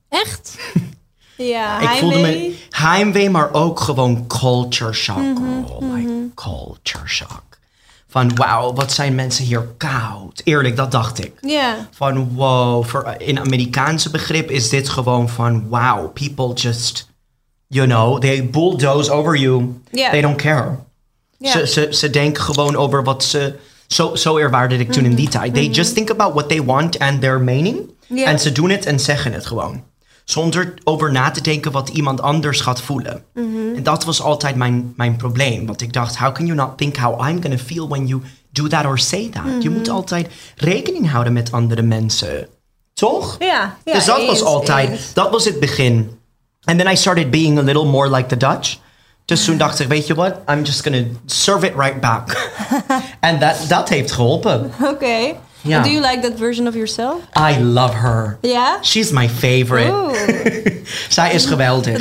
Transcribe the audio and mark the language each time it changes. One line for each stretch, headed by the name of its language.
Dutch: Echt? Ja, ik voelde me heimwee, maar ook gewoon culture shock.
English: Oh my, culture shock.
Dutch: Van wauw, wat zijn mensen hier koud. Eerlijk, dat dacht ik. Ja. Van wow, in Amerikaanse begrip is dit gewoon van wow.
English: People just, you know, they bulldoze over you. Yeah. They don't care. Yeah.
Dutch: Ze denken gewoon over wat ze, zo ervaarde ik toen in die tijd. Mm-hmm.
English: They just think about what they want and their meaning. Yeah.
Dutch: En ze doen het en zeggen het gewoon. Zonder over na te denken wat iemand anders gaat voelen. Mm-hmm. En dat was altijd mijn probleem. Want ik dacht,
English: how can you not think how I'm gonna feel when you do that or say that?
Dutch: Mm-hmm. Je moet altijd rekening houden met andere mensen. Toch? Ja. Dus dat was altijd, dat was het begin.
English: And then I started being a little more like the Dutch.
Dutch: Dus toen dacht ik, weet je wat?
English: I'm just gonna serve it right back.
Dutch: And dat heeft geholpen.
English: Okay. Yeah. Do you like that version of yourself? I love her. Yeah? She's my favorite.
Dutch: Zij is geweldig.